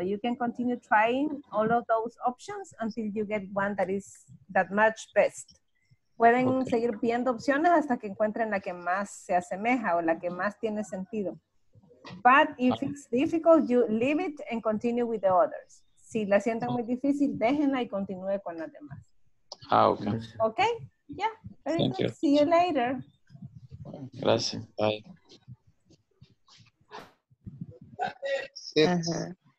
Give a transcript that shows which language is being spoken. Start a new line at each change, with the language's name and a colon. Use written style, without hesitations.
English: You can continue trying all of those options until you get one that is that much best.
Spanish: Pueden seguir viendo opciones hasta que encuentren la que más se asemeja o la que más tiene sentido.
English: But if it's difficult, you leave it and continue with the others.
Spanish: Si la sienten muy difícil, déjenla y continúe con las demás. Ah, ok.
English: Ok, yeah. Very good. Thank you. See you later.
Spanish: Gracias. Bye. Sits.